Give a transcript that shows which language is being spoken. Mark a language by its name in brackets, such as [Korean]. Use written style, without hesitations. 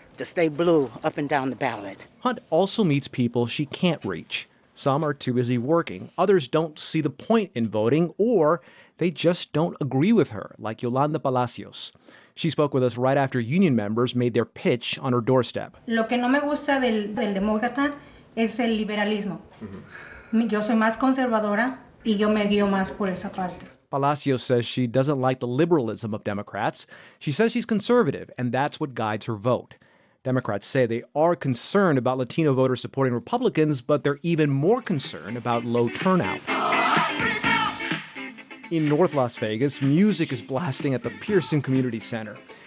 [English] To stay blue up and down the ballot. Hunt also meets people she can't reach. Some are too busy working. Others don't see the point in voting, or they just don't agree with her, like Yolanda Palacios. She spoke with us right after union members made their pitch on her doorstep. [Spanish] Lo que no me gusta del demócrata es el liberalismo. Mm-hmm. Yo soy más conservadora y yo me guío más por esa parte. [English] Palacios says she doesn't like the liberalism of Democrats. She says she's conservative, and that's what guides her vote. Democrats say they are concerned about Latino voters supporting Republicans, but they're even more concerned about low turnout. In North Las Vegas, music is blasting at the Pearson Community Center.